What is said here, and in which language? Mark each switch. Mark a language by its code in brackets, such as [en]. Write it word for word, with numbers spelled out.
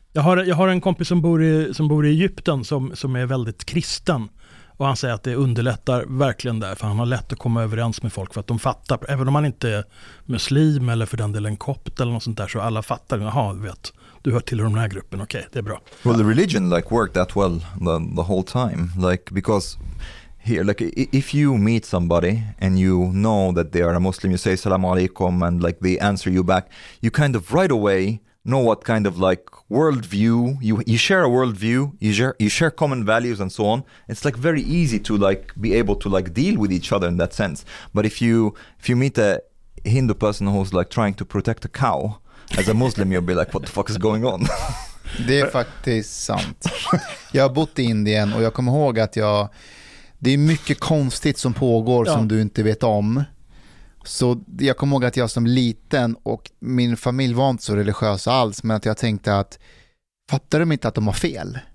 [sv] jag, har, jag har en kompis som bor i, som bor i Egypten som, som är väldigt kristen. Och han säger att det underlättar verkligen där, för han har lätt att komma överens med folk för att de fattar, även om man inte är muslim eller för den delen kopt eller något sånt där, så alla fattar, jaha, du vet, du hör till den här gruppen, okej, okay, det är bra. [en] Well, the religion like worked that well the, the whole time, like because here, like if you meet somebody and you know that they are a Muslim, you say [ar] salam alaikum [en] and like they answer you back, you kind of right away know what kind of like worldview you you share a worldview, you share you share common values and so on. It's like very easy to like be able to like deal with each other in that sense. But if you if you meet a Hindu person who's like trying to protect a cow, as a Muslim you'll be like, what the fuck is going on? [sv] Det är faktiskt sant. Jag har bott i Indien och jag kommer ihåg att jag det är mycket konstigt som pågår ja. som du inte vet om. Så jag kommer ihåg att jag som liten och min familj var inte så religiös alls, men att jag tänkte att fattar de inte att de har fel?